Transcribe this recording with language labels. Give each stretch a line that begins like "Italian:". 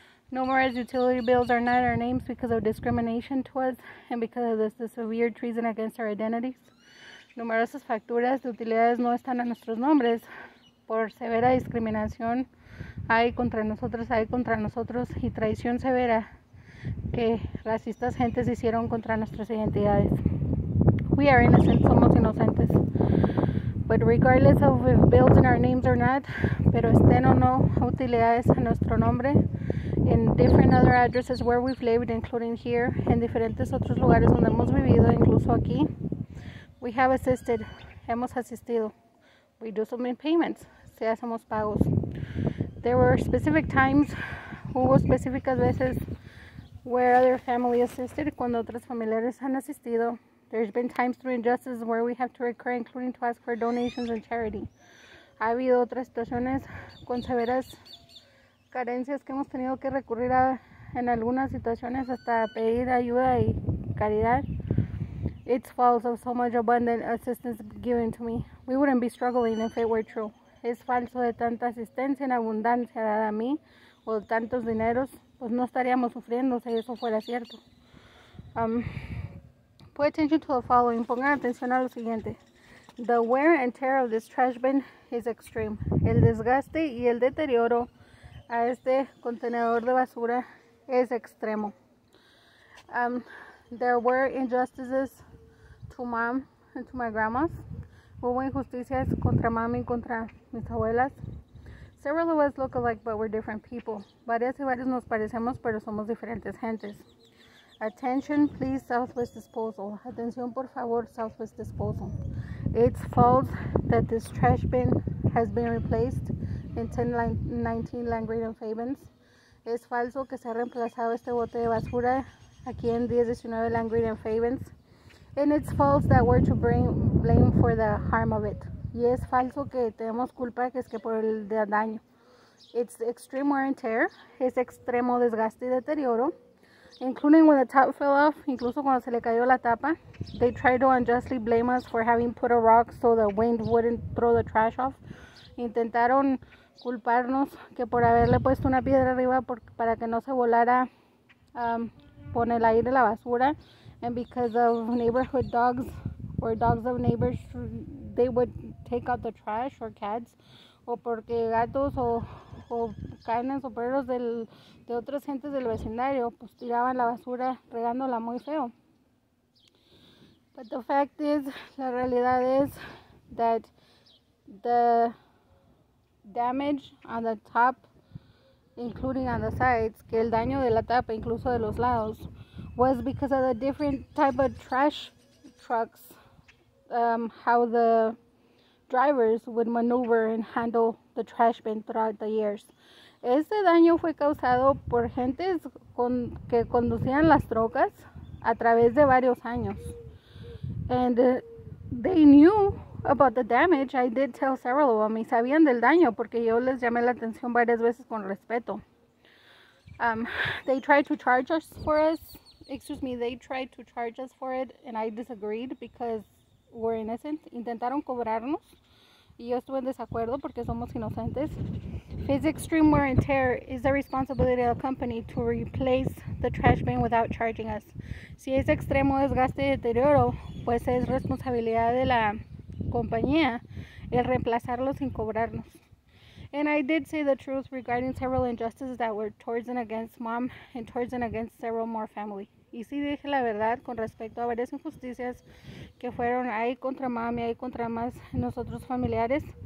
English: No more as utility bills are not our names because of discrimination towards and because of this severe treason against our identities.
Spanish: Numerosas facturas de utilidades no están a nuestros nombres por severa discriminación. Hay contra nosotros y traición severa que racistas gentes hicieron contra nuestras identidades.
English: We are innocent,
Spanish: somos inocentes.
English: But regardless of if bills in our names or not,
Spanish: pero estén o no utilidades a nuestro nombre,
English: in different other addresses where we've lived, including here,
Spanish: en diferentes otros lugares donde hemos vivido, incluso aquí,
English: we have assisted,
Spanish: hemos asistido.
English: We do some payments,
Spanish: si hacemos pagos.
English: There were specific times,
Spanish: hubo específicas veces,
English: where other family assisted,
Spanish: cuando otras familiares han asistido.
English: There's been times through injustices where we have to recur, including to ask for donations and charity.
Spanish: Ha habido otras situaciones con severas carencias que hemos tenido que recurrir a, en algunas situaciones hasta pedir ayuda y caridad.
English: It's false of so much abundant assistance given to me. We wouldn't be struggling if it were true.
Spanish: Es falso de tanta asistencia en abundancia dada a mí o tantos dineros, pues no estaríamos sufriendo si eso fuera cierto.
English: Pay attention to the following.
Spanish: Pongan atención a lo siguiente.
English: The wear and tear of this trash bin is extreme.
Spanish: El desgaste y el deterioro a este contenedor de basura es extremo.
English: There were injustices to mom and to my grandmas.
Spanish: Hubo injusticias contra mami y contra mis abuelas.
English: Several of us look alike, but we're different people.
Spanish: Varias y varios nos parecemos, pero somos diferentes gentes.
English: Attention, please, Southwest Disposal.
Spanish: Atención, por favor,
English: Southwest Disposal. It's false that this trash bin has been replaced in 1019 Langreen and Fabens.
Spanish: Es falso que se ha reemplazado este bote de basura aquí en 1019 Langreen and Fabens.
English: And it's false that we're to blame for the harm of it.
Spanish: Y es falso que tenemos culpa que es que por el daño.
English: It's extreme wear and tear.
Spanish: Es extremo desgaste y deterioro.
English: Including when the top fell off,
Spanish: incluso cuando se le cayó la tapa,
English: they tried to unjustly blame us for having put a rock so the wind wouldn't throw the trash off.
Spanish: Intentaron culparnos que por haberle puesto una piedra arriba por, para que no se volara por el aire la basura.
English: And because of neighborhood dogs or dogs of neighbors, they would take out the trash or cats.
Spanish: O porque gatos o carnes o perros del, de otras gentes del vecindario pues tiraban la basura regándola muy feo.
English: But the fact is,
Spanish: la realidad es
English: that the damage on the top, including on the sides,
Spanish: que el daño de la tapa, incluso de los lados,
English: was because of the different type of trash trucks, how the drivers would maneuver and handle the trash bin throughout the years.
Spanish: Este daño fue causado por gentes con, que conducían las trocas a través de varios años.
English: And they knew about the damage. I did tell several of them.
Spanish: Y sabían del daño porque yo les llamé la atención varias veces con respeto.
English: They tried to charge us for it. Excuse me, they tried to charge us for it and I disagreed because we're innocent.
Spanish: Intentaron cobrarnos y yo estuve en desacuerdo porque somos inocentes.
English: Physical extreme wear and tear is the responsibility of the company to replace the trash bin without charging us.
Spanish: Si es extremo desgaste y deterioro, pues es responsabilidad de la compañía el reemplazarlo sin cobrarnos.
English: And I did say the truth regarding several injustices that were towards and against mom and towards and against several more family.
Spanish: Y sí dije la verdad con respecto a varias injusticias que fueron ahí contra mami, ahí contra más nosotros familiares.